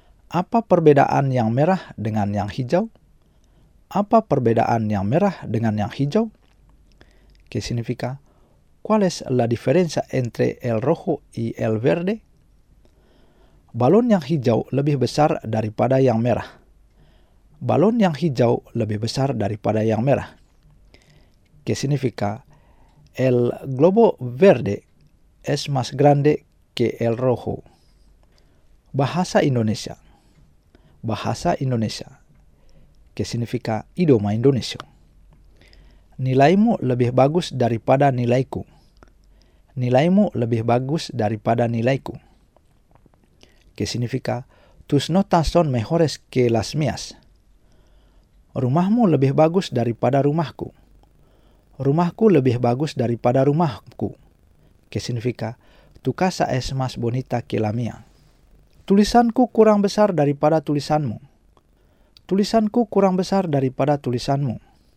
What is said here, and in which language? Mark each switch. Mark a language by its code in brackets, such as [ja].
[id] Apa perbedaan yang merah dengan yang hijau? Apa perbedaan yang merah dengan yang hijau? [es] Que significa ¿cuál es la diferencia entre el rojo y el verde? [id] Balon yang hijau lebih besar daripada yang merah. Balon yang hijau lebih besar daripada yang merah. [es] Que significa el globo verde es más grande que el rojo. [id] Bahasa Indonesia. Bahasa Indonesia. [es] Que significa idioma indonesio. [id] Nilaimu lebih bagus daripada nilaiku. Nilaimu lebih bagus daripada nilaiku. [es] Que significa tus notas son mejores que las mías. [id] Rumahmu lebih bagus daripada rumahku. Rumahku lebih bagus daripada rumahku. [es] Que significa tu casa es más bonita que la mía. [id] Tulisanku kurang besar daripada tulisanmu. Tulisanku kurang besar daripada tulisanmu.